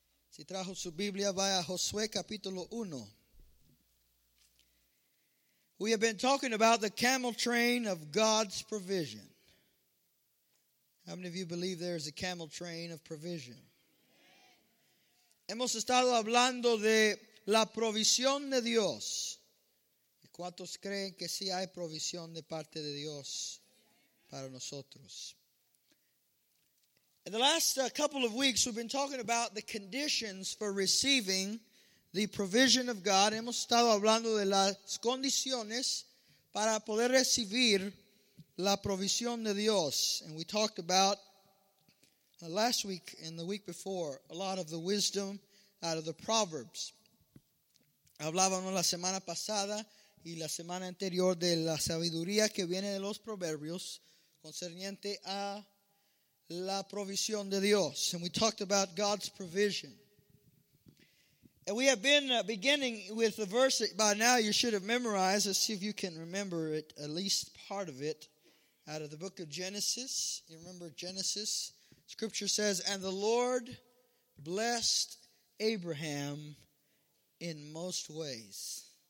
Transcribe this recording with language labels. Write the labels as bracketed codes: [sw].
[es] Si trajo su Biblia, vaya a Josué capítulo 1. [en] We have been talking about the camel train of God's provision. How many of you believe there is a camel train of provision? [es] Hemos estado hablando de la provisión de Dios. ¿Cuántos creen que sí hay provisión de parte de Dios para nosotros? [en] In the last couple of weeks, we've been talking about the conditions for receiving the provision of God. [es] Hemos estado hablando de las condiciones para poder recibir la provisión de Dios. [en] And we talked about last week and the week before a lot of the wisdom out of the Proverbs. [es] Hablábamos la semana pasada y la semana anterior de la sabiduría que viene de los proverbios concerniente a la provisión de Dios. [en] And we talked about God's provision. And we have been beginning with the verse that by now you should have memorized. Let's see if you can remember it, at least part of it, out of the book of Genesis. You remember Genesis? Scripture says, "And the Lord blessed Abraham in most ways."